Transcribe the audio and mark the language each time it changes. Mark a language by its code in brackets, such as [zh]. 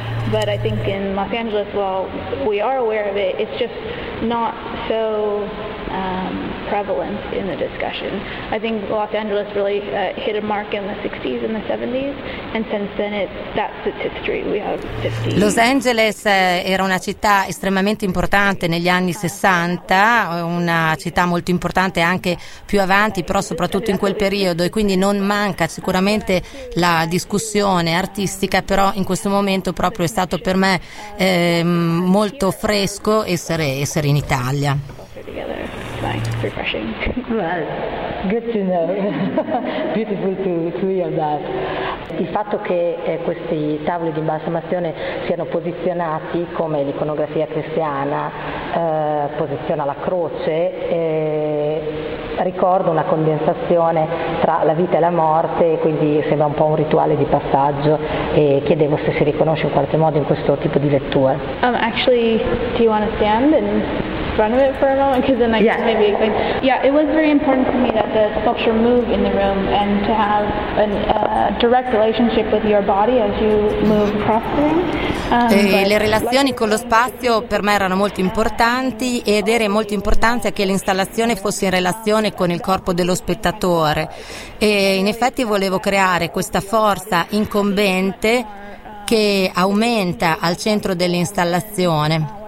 [en] But I think in Los Angeles, well, we are aware of it, it's just not so prevalent in the discussion. I think Los Angeles really hit a mark in the 60s and the 70s, and since then that's its history. We have 50. [it] Los Angeles era una città estremamente importante negli anni 60, una città molto importante anche più avanti, però soprattutto in quel periodo, e quindi non manca sicuramente la discussione artistica, però in questo momento proprio è stato per me molto fresco essere in Italia. [en] Good to know. Beautiful to hear that. [it] Il fatto che questi tavoli di imbalsamazione siano posizionati come l'iconografia cristiana posiziona la croce, ricordo una condensazione tra la vita e la morte, quindi sembra un po' un rituale di passaggio, e chiedevo se si riconosce in qualche modo in questo tipo di lettura. [en] Actually, do you want to stand in front of it for a moment? Because then I can maybe explain. Yeah, it was very important to me that the sculpture move in the room and to have a direct relationship with your body as you move across the room. [it] Le relazioni con lo spazio per me erano molto importanti, ed era molto importante che l'installazione fosse in relazione con il corpo dello spettatore, e in effetti volevo creare questa forza incombente che aumenta al centro dell'installazione,